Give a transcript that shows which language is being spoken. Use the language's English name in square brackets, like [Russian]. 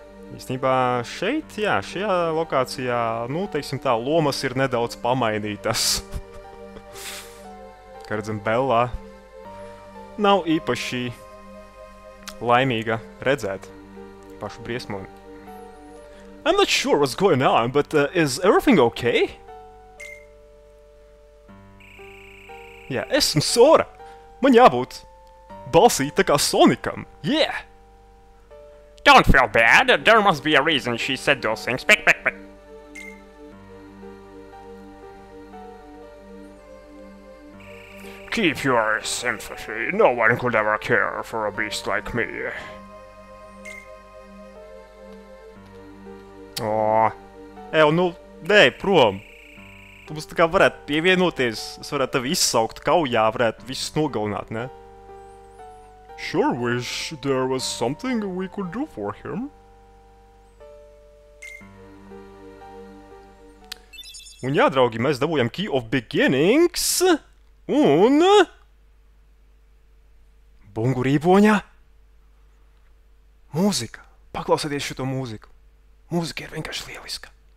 [Latvian] Īstenībā šeit, jā, šajā lokācijā, nu, teiksim tā, lomas ir nedaudz pamainītas. Kā redzam, Bella nav īpaši laimīga redzēt pašu briesmoni. [English] I'm not sure what's going on, but is everything okay? [Latvian] Jā, esmu Sora! Man jābūt balsī tā kā Sonicam, [English] yeah! Don't feel bad, there must be a reason she said those things, pick. Keep your sympathy, no one could ever care for a beast like me. [Latvian] Oh. Ejo, nu, dej, prom. Tu mums tā kā varētu pievienoties, es varētu tevi izsaukt kaujā, varētu visus nogalināt, ne? [English] Sure wish there was something we could do for him. [Latvian] Un jā, draugi, mēs dabūjam Key of Beginnings, un Bungu rīboņa mūzika. Paklausieties šito mūziku. Mūzika ir vienkārši lieliska.